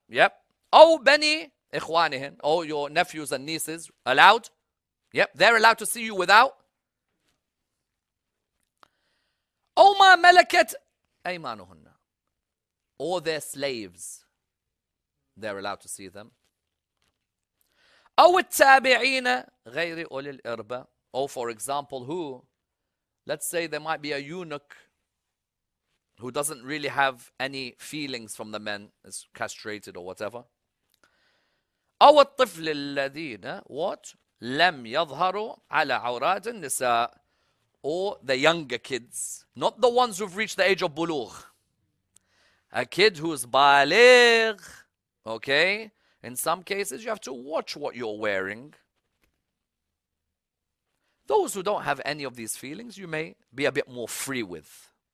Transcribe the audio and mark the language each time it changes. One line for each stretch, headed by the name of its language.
Arabic: Yep. أو بني إخوانهن.
English: Oh, your nephews and nieces, allowed. Yep, they're allowed to see you without.
Arabic: أو ما ملكت أيمانهن.
English: Or their slaves, they're allowed to see them.
Arabic: أو التابعين غير أولي الإربة.
English: Oh, for example, who? Let's say there might be a eunuch who doesn't really have any feelings from the men, is castrated or whatever.
Arabic: أو الطفل الذين what? لم يظهروا على عورات النساء.
English: Or the younger kids, not the ones who've reached the age of بلوغ. A kid who's بالغ, okay? In some cases, you have to watch what you're wearing. Those who don't have any of these feelings, you may be a bit more free with.